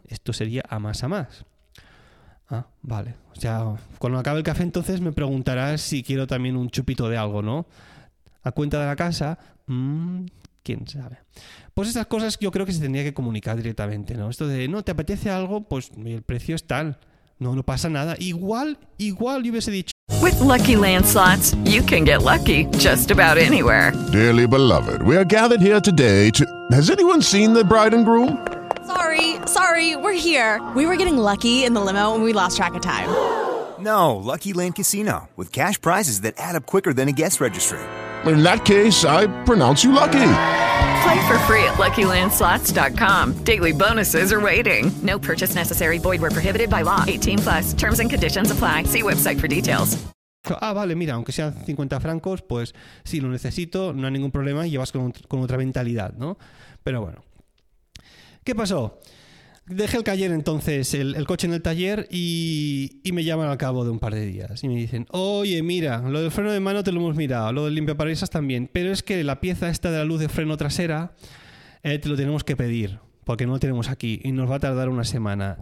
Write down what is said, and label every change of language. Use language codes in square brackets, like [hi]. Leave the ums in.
[es] Esto sería a más a más. Ah, vale. O sea, cuando acabe el café entonces me preguntarás si quiero también un chupito de algo, ¿no? A cuenta de la casa, mm, quién sabe. Pues esas cosas yo creo que se tendría que comunicar directamente, ¿no? Esto de, no, ¿te apetece algo? Pues el precio es tal. No, no pasa nada. Igual, igual yo hubiese dicho, [en] With Lucky Land slots, you can get lucky just about anywhere. Dearly beloved, we are gathered here today to. Has anyone seen the bride and groom? Sorry, sorry, we're here. We were getting lucky in the limo and we lost track of time. No, Lucky Land Casino, with cash prizes that add up quicker than a guest registry. In that case, I pronounce you lucky. Play for free at LuckyLandSlots.com. Daily bonuses are waiting. No purchase necessary. Void where prohibited by law. 18 plus. Terms and conditions apply. See website for details. [es] Ah, vale, mira, aunque sean 50 francos, pues sí, lo necesito, no hay ningún problema y llevas con, con otra mentalidad, ¿no? Pero bueno. ¿Qué pasó? Dejé el taller entonces, el, el coche en el taller y, y me llaman al cabo de un par de días y me dicen, oye, mira, lo del freno de mano te lo hemos mirado, lo del limpiaparabrisas también, pero es que la pieza esta de la luz de freno trasera eh, te lo tenemos que pedir porque no lo tenemos aquí y nos va a tardar una semana.